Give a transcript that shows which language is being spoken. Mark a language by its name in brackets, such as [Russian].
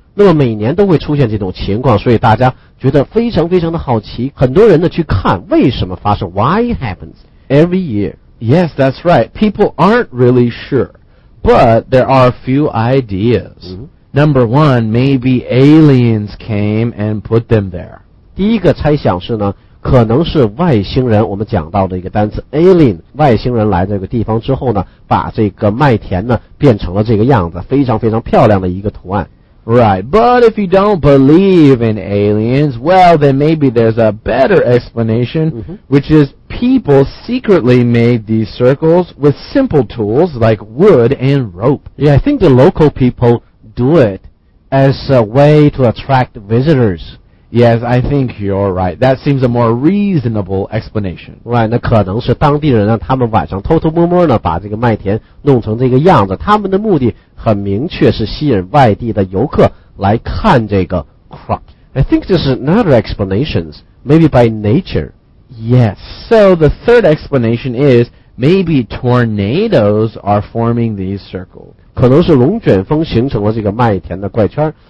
[Chinese] 那么每年都会出现这种情况，所以大家觉得非常非常的好奇，很多人呢去看为什么发生 ， [English] Why happens every year? Yes, that's right. People aren't really sure, but there are a few ideas. Number one, maybe aliens came and put them there. [Chinese] 第一个猜想是呢，可能是外星人。我们讲到的一个单词 alien， 外星人来这个地方之后呢，把这个麦田呢变成了这个样子，非常非常漂亮的一个图案。 [English] Right, but if you don't believe in aliens, well, then maybe there's a better explanation, which is people secretly made these circles with simple tools like wood and rope. Yeah, I think the local people do it as a way to attract visitors. Yes, I think you're right. That seems a more reasonable explanation. [Chinese] Right, 那可能是当地人呢，他们晚上偷偷摸摸呢，把这个麦田弄成这个样子，他们的目的很明确是吸引外地的游客来看这个 crop. [English] I think this is another explanation, maybe by nature. Yes, so the third explanation is maybe tornadoes are forming these circles. [Chinese] 可能是龙卷风形成了这个麦田的怪圈。